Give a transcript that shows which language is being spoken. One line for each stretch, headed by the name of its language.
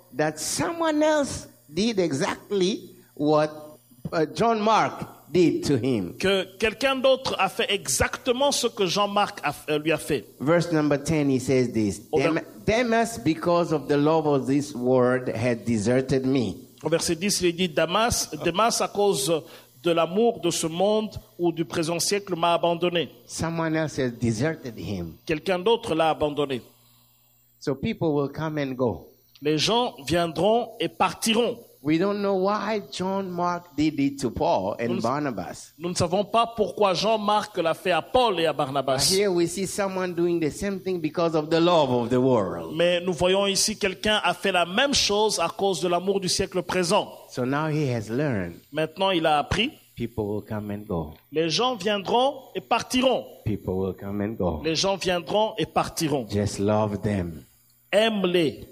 English: That someone else did exactly what John Mark did to him.
French: Que quelqu'un d'autre a fait exactement ce que Jean-Marc lui a fait.
English: Verse number 10, he says this. Damas, because of the love of this world, had deserted me.
French: Au verset 10, il dit Damas à cause de l'amour de ce monde ou du présent siècle m'a abandonné.
English: Someone else has deserted him.
French: Quelqu'un d'autre l'a abandonné.
English: So people will come and go.
French: Les gens viendront et partiront.
English: We don't know why John Mark did it to Paul and Barnabas.
French: Nous ne savons pas pourquoi Jean-Marc l'a fait à Paul et à Barnabas.
English: But here we see someone doing the same thing because of the love of the world.
French: Mais nous voyons ici quelqu'un a fait la même chose à cause de l'amour du siècle présent.
English: So now he has learned.
French: Maintenant il a appris.
English: People will come and go.
French: Les gens viendront et partiront.
English: People will come and go.
French: Les gens viendront et partiront.
English: Just love them.
French: Aime-les.